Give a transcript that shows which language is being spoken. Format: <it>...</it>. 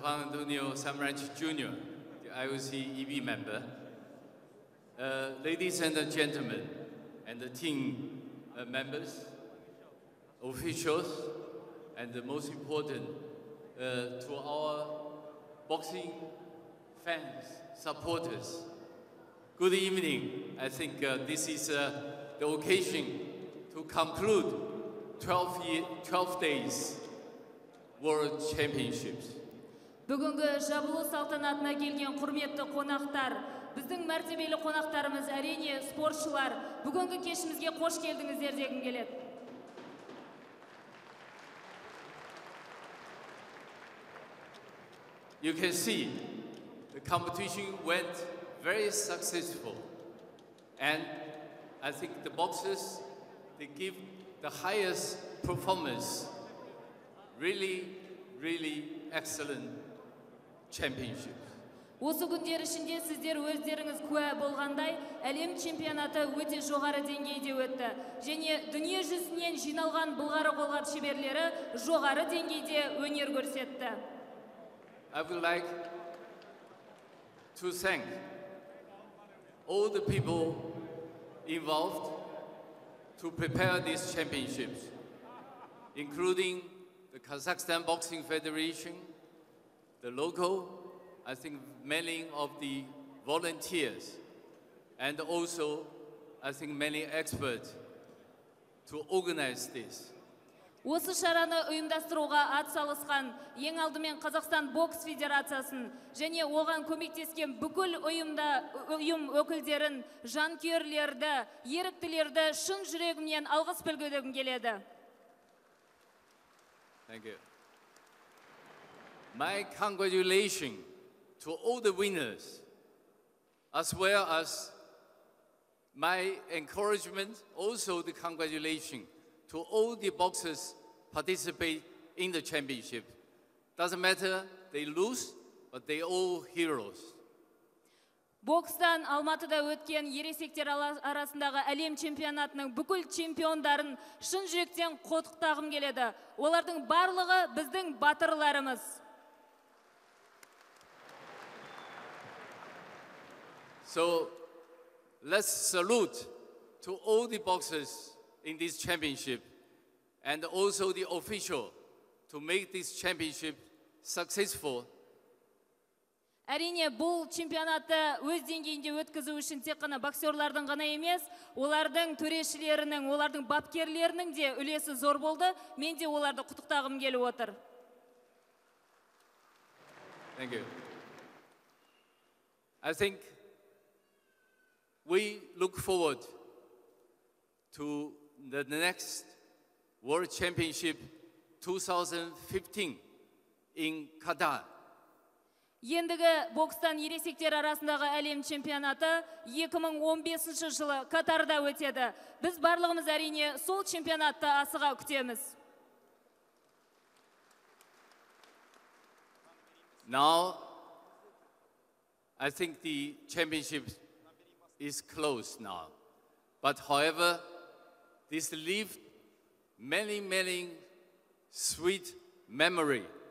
<en>Juan Antonio Samranch Jr., the IOC EB member, ladies and gentlemen, and the team members, officials, and the most important, to our boxing fans, supporters, good evening. I think this is the occasion to conclude 12 days World Championships.</en> <kk>Бүгінгі жабылу салтанатына келген құрметті қонақтар, біздің мәртебелі қонақтарымыз әрине спортшылар. Бүгінгі кешімізге қош келдіңіздер дегім келеді.</kk> <en>You can see the competition went very successful, and I think the boxers, they give the highest performance, really, really excellent championship.</en> <kk>Осы күндер ішінде сіздер өздеріңіз куә болғандай, әлем чемпионаты өте жоғары деңгейде өтті. Және дүние жүзінен жиналған былғары қолғап шеберлері жоғары деңгейде өнер көрсетті.</kk> <en>I would like to thank all the people involved to prepare these championships, including the Kazakhstan Boxing Federation, the local, I think many of the volunteers, and also I think many experts to organize this.</en> <kk>Осы шараны ұйымдастыруға атсалысқан ең алдымен Қазақстан бокс федерациясын және оған көмектескен бүкіл ұйым өкілдерін, жанкүйерлерді, еріктілерді шын жүрегімнен алғыс білдіргім келеді.</kk> <en>Thank you. My congratulations to all the winners, as well as my encouragement, also the congratulations to all the boxers participate in the championship. Doesn't matter, they lose, but they all heroes.</en> <kk>Бокстан Алматыда өткен ересектер арасындағы әлем чемпионатының бүкіл чемпиондарын шын жүректен құттықтағым келеді. Олардың барлығы біздің батырларымыз.</kk> <en>So, let's salute to all the boxers in this championship. And also the official to make this championship successful.</en> <kk>Әрине, бұл чемпионатты өз деңгейінде өткізу үшін тек қана боксерлардың ғана емес, олардың төрешілерінің, олардың бапкерлерінің де үлесі зор болды. Мен де оларды құттықтағым келіп отыр.</kk> <en>Thank you. I think we look forward to the next World Championship 2015 in Qatar.</en> <kk>Ендігі бокстан ересектер арасындағы әлем чемпионаты 2015 жылы Катарда өтеді. Біз барлығымыз әрине сол чемпионатты асыға күтеміз.</kk> <en>Now, I think the championship is close now. But however, this lived many, many sweet memory.</en>